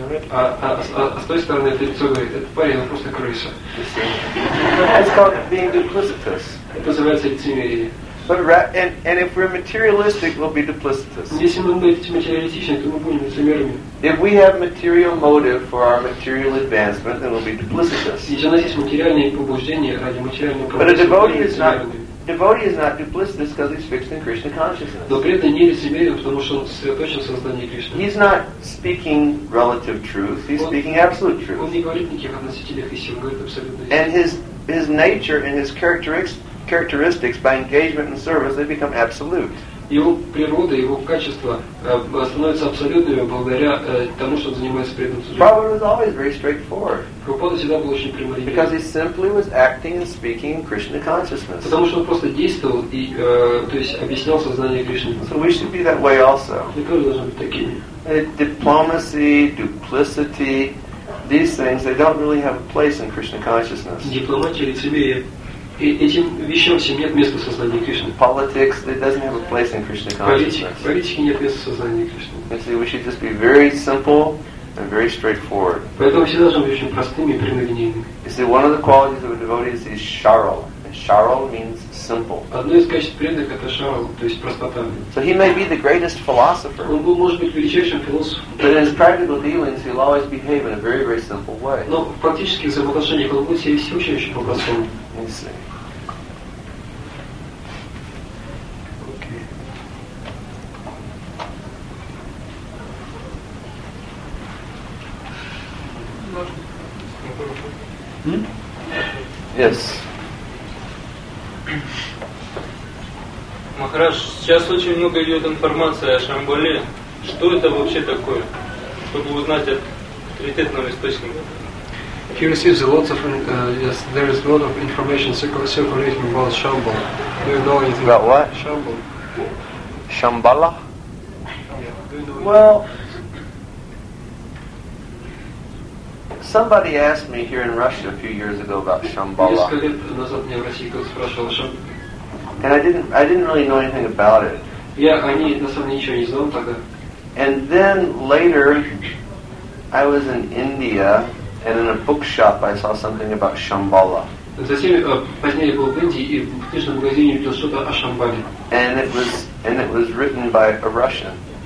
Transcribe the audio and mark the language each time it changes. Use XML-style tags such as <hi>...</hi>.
<ru>А с той стороны это лицо говорит, этот парень, он просто крыса.</ru> <en>It's called being duplicitous.</en> <ru>Это называется лицемерие.</ru> <en>But and if we're materialistic, we'll be duplicitous.</en> <ru>Если мы будем материалистичны, то мы будем лицемерными.</ru> <en>If we have material motive for our material advancement, then we'll be duplicitous.</en> <ru>Если у нас есть материальные побуждения ради материального</ru> <en>But a devotee is not duplicitous because he's fixed in Krishna consciousness.</en> <ru>Но преданный не лицемерен, потому что он сосредоточен в сознании Кришны.</ru> <en>He's not speaking relative truth. He's speaking absolute truth.</en> <ru>Он не говорит никаких относительных истин, говорит абсолютно.</ru> <en>And his nature and his characteristics by engagement and service, they become absolute.</en> <ru>его природа, его качество становятся абсолютными благодаря тому, что он занимается преданным судьей.</ru> <en>Prabhupada was always very straightforward.</en> <ru>Prabhupada всегда был очень прямолинейным.</ru> <en>Because he simply was acting and speaking in Krishna consciousness.</en> <ru>Потому что он просто действовал и, то есть, объяснял сознание Кришны.</ru> <en>So we should be that way also.</en> <ru>Мы тоже должны быть такими.</ru> <en>Diplomacy, duplicity, these things, they don't really have a place in Krishna consciousness.</en> <ru>Дипломатия, лицемерие. Этим вещам всем нет места в сознании Кришны.</ru> <en>Politics, it doesn't have a place in Krishna consciousness.</en> <ru>Политики нет места в сознании Кришны.</ru> <en>So we should just be very simple and very straightforward.</en> <ru>Поэтому все должны быть очень простыми и прямолинейными.</ru> <en>You see, one of the qualities of a devotee is sharal. Sharal means simple.</en> <ru>Одно из качеств преданных — это шарал, то есть простота.</ru> <en>So he may be the greatest philosopher.</en> <ru>Он был, может быть, величайшим философом.</ru> <en>But in his practical dealings, he'll always behave in a very, very simple way.</en> <ru>Но в практических взаимоотношениях он будет себя вести очень, очень по-простому.</ru> <en>Let's see. Okay. Yes.</en> <ru>Махарадж, сейчас очень много идет информации о Шамбале. Что это вообще такое? Чтобы узнать от авторитетного источника.</ru> <en>He receives a lot of yes, there is a lot of information circulating about Shambhala. Do you know anything about what? Shambhala. Shambhala? Yeah. Do you know well, somebody asked me here in Russia a few years ago about Shambhala. And I didn't really know anything about it.</en> <ru>Yeah, они на самом деле ничего не знал тогда.</ru> <en>And then later, I was in India. And in a bookshop, I saw something about Shambhala. And it was written by a Russian.</en>